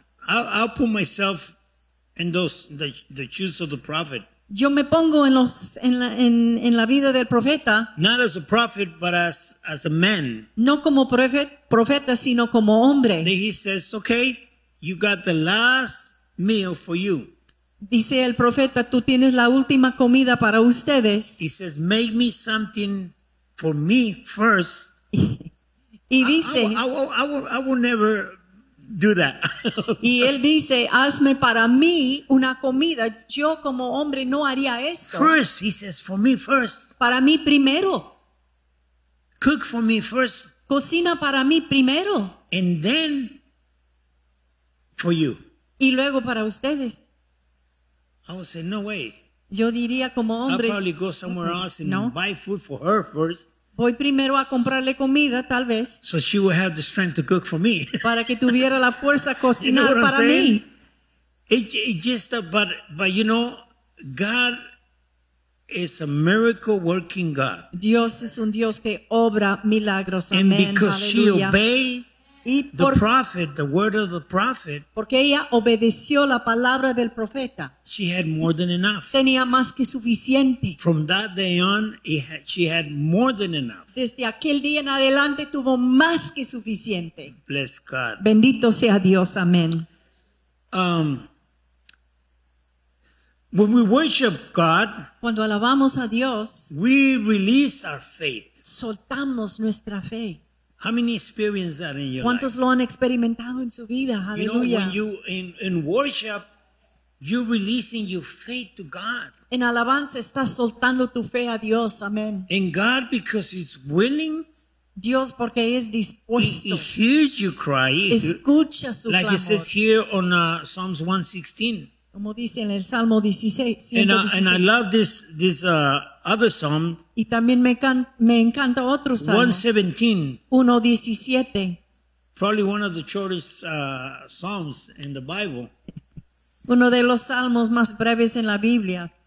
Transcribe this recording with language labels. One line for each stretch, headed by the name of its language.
English: I'll put myself in the shoes of the prophet.
Spanish: Yo me pongo en la vida del profeta.
English: Not as a prophet, but as a man.
Spanish: No como profeta, sino como hombre.
English: Then he says, okay, you got the last meal for you.
Spanish: Dice el profeta, tú tienes la última comida para ustedes.
English: He says, make me something for me first.
Spanish: Y dice,
English: I will never do that.
Spanish: Y él dice, hazme para mí una comida. Yo como hombre no haría esto.
English: First, he says, for me first.
Spanish: Para mí primero.
English: Cook for me first.
Spanish: Cocina para mí primero.
English: And then for you.
Spanish: Y luego para ustedes.
English: I would say, no way.
Spanish: Yo diría como hombre.
English: I'll probably go somewhere else and buy food for her first.
Spanish: Voy primero a comprarle comida, tal vez.
English: So she will have the strength to cook for me.
Spanish: Para que tuviera la fuerza a cocinar para mí.
English: But you know, God is a miracle working God.
Spanish: Dios es un Dios que obra milagros.
English: And because she obeyed the prophet, the word of the prophet.
Spanish: Porque ella obedeció la palabra del profeta.
English: She had more than enough.
Spanish: Tenía más que suficiente.
English: From that day on, she had more than enough.
Spanish: Desde aquel día en adelante tuvo más que suficiente.
English: Bless God.
Spanish: Bendito sea Dios. Amen.
English: When we worship God,
Spanish: cuando alabamos a Dios,
English: we release our faith.
Spanish: Soltamos nuestra fe.
English: How many experience that in your
Spanish: ¿cuántos
English: life?
Spanish: Lo han experimentado en su vida? Hallelujah.
English: You know, when you in worship, you're releasing your faith to God.
Spanish: En alabanza estás soltando tu fe a Dios.
English: Amen. And God, because He's willing,
Spanish: Dios porque es dispuesto,
English: He hears you cry.
Spanish: Escucha su
English: like
Spanish: clamor.
English: It says here on Psalms 116.
Spanish: Como dice en el Salmo 16.
English: And I love this other psalm.
Spanish: Y también me encanta otro salmo. 117. 117.
English: Probably one of the shortest psalms in the Bible.
Spanish: Uno de los salmos más breves en la Biblia.